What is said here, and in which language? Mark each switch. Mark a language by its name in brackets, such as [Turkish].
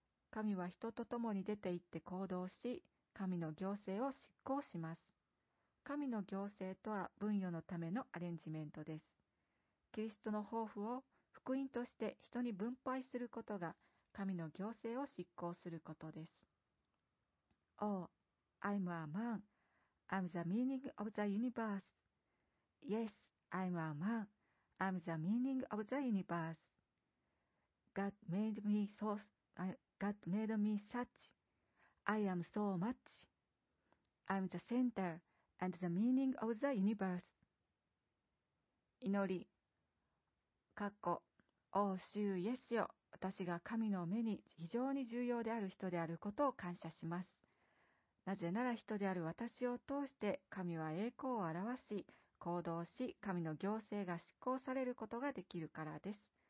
[Japanese] 神は人と共に出て行って行動し、神の行政を執行します。神の行政とは分与のためのアレンジメントです。キリストの抱負を福音として人に分配することが神の行政を執行することです。 [English] Oh, I'm a man. I'm the meaning of the universe. Yes, I'm a man. I'm the meaning of the universe. God made me so... God made me such. I am so much. I am the center and the meaning of the universe. [Japanese] 祈り。欧州イエスよ、私が神の目に非常に重要である人であることを感謝します。なぜなら人である私を通して神は栄光を表し、行動し、神の行政が執行されることができるからです。